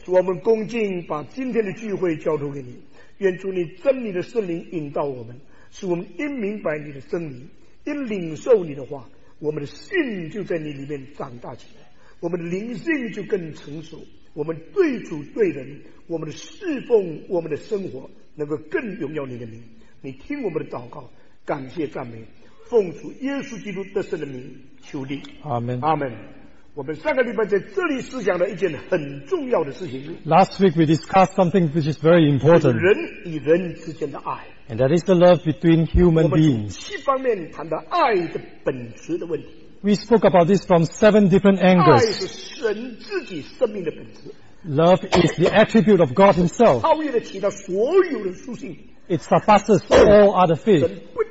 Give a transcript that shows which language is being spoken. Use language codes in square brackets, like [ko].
[zh] 主，我们恭敬把今天的聚会交托给你，愿主你真理的圣灵引导我们，使我们因明白你的真理，因领受你的话，我们的信就在你里面长大起来，我们的灵性就更成熟，我们对主对人，我们的侍奉，我们的生活能够更荣耀你的名。你听我们的祷告，感谢赞美，奉主耶稣基督得胜的名求你。阿们阿们。我们上个礼拜在这里思想了一件很重要的事情。 [en] Last week we discussed something which is very important. [zh] 人与人之间的爱。 [en] And that is the love between human beings. [zh] 我们七方面谈到爱的本质的问题。 [en] We spoke about this from seven different angles. [zh] 爱是神自己生命的本质。 [en] Love is the attribute of God himself. It surpasses all other faith.